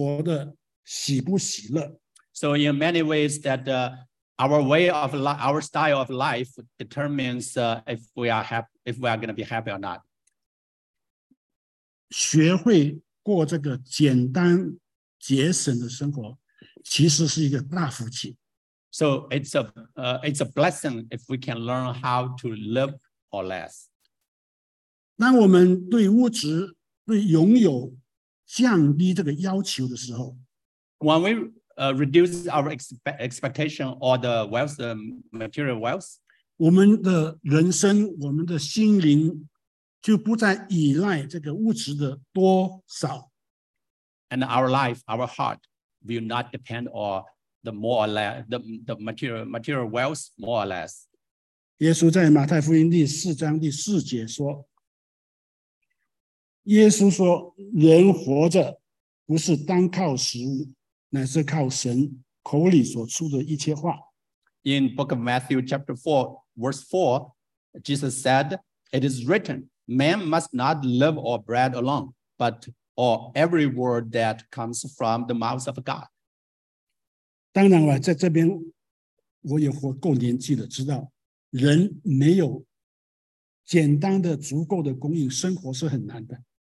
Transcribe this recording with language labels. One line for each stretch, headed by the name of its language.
Chinese: 很多时候生活的方式决定我们的人生活得喜不喜乐。
English: So in many ways that our style of life determines if we are going to be happy or not.
Chinese: 学会过这个简单节省的生活其实是一个大福气。
English: So it's a blessing if we can learn how to live or less.
Chinese: 当我们对物质对拥有降低这个要求的时候,
English: when we reduce our expectation or the wealth, the material wealth,
Chinese: 我们的人生,我们的心灵 就不再依赖这个物质的多少。
English: And our life, our heart will not depend on the more or less the material wealth more or less.
Chinese: 耶稣在马太福音第四章第四节说，耶稣说，人活着不是单靠食物，乃是靠神口里所出的一切话。
English: In book of Matthew chapter 4 verse 4 Jesus said, it is written, man must not live on bread alone, but on every word that comes from the mouth of God.
Chinese: 当然了，在这边我也活够年纪了，知道人没有简单的足够的供应，生活是很难的。